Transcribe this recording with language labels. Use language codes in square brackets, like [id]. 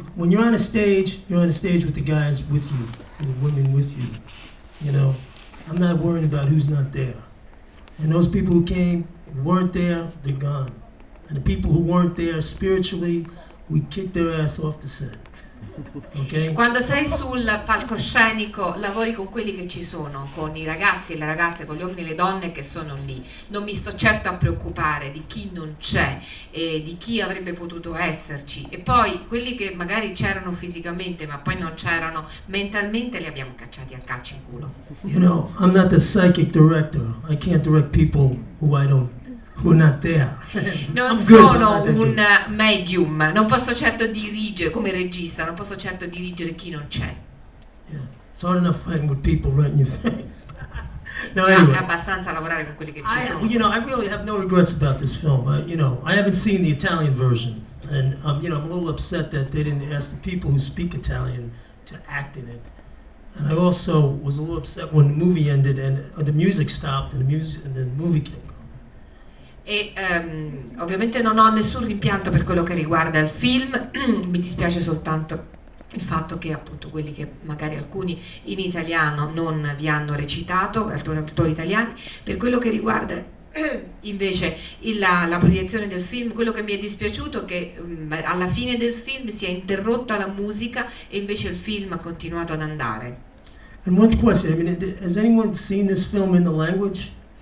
[en] When you're on a stage, you're on a stage with the guys with you, and the women with you. You know, I'm not worried about who's not there. And those people who came weren't there, they're gone. And the people who weren't there spiritually, we kicked their ass off the set. Okay? [it] Quando sei sul palcoscenico, lavori con quelli che ci sono, con i ragazzi e le ragazze, con gli uomini e le donne che sono lì. Non mi sto certo a preoccupare di chi non c'è e di chi avrebbe potuto esserci. E poi quelli che magari c'erano fisicamente, ma poi non c'erano mentalmente, li abbiamo cacciati a calci in culo. [en] You know, I'm not the psychic director. I can't direct people who are not there. [it] Non sono un medium, non posso certo dirigere come regista, non posso certo dirigere chi non c'è. [en] Yeah. It's hard enough fighting with people right in your face. No, anyway. [it] È abbastanza lavorare con quelli che ci sono. [en] You know, I really have no regrets about this film. I haven't seen the Italian version, and I'm a little upset that they didn't ask the people who speak Italian to act in it. And I also was a little upset when the movie ended and the music stopped and the movie kept. [it] E ovviamente non ho nessun rimpianto per quello che riguarda il film, mi dispiace soltanto il fatto che appunto quelli che magari alcuni in italiano non vi hanno recitato, attori italiani. Per quello che riguarda invece la proiezione del film, quello che mi è dispiaciuto è che alla fine del film si è interrotta la musica e invece il film ha continuato ad andare. [en] And one question, has anyone seen this film in the language?